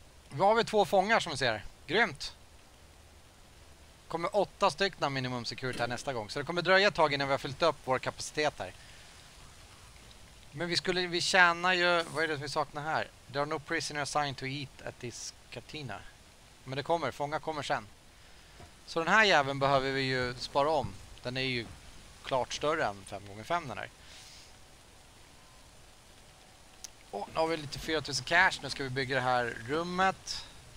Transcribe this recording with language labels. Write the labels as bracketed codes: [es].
[sv] Nu har vi två fångar som vi ser. Grymt! Kommer 8 stycken minimum security här nästa gång. Så det kommer dröja ett tag innan vi har fyllt upp vår kapacitet här. Men vi tjänar ju... Vad är det vi saknar här? [en] There are no prisoners assigned to eat at this cantina. [sv] Men det kommer. Fångar kommer sen. Så den här jäveln behöver vi ju spara om. Den är ju klart större än 5x5 den här. Och nu har vi lite 4000 cash. Nu ska vi bygga det här rummet.